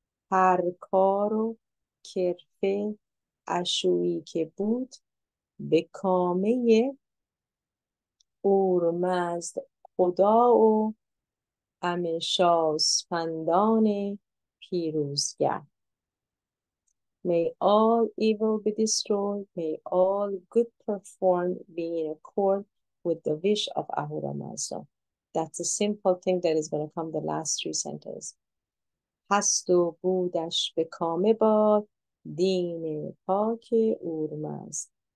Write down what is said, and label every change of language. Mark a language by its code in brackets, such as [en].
[fa] هر کار و کرفه اشویی که بود به کامه اورمزد خدا و امشاسپندان پیروزگر. [en] May all evil be destroyed, may all good perform be in accord with the wish of Ahura Mazda. That's a simple thing that is going to come the last three sentences. [fa] هست و بودش به کامه باد دین پاک اورمزد.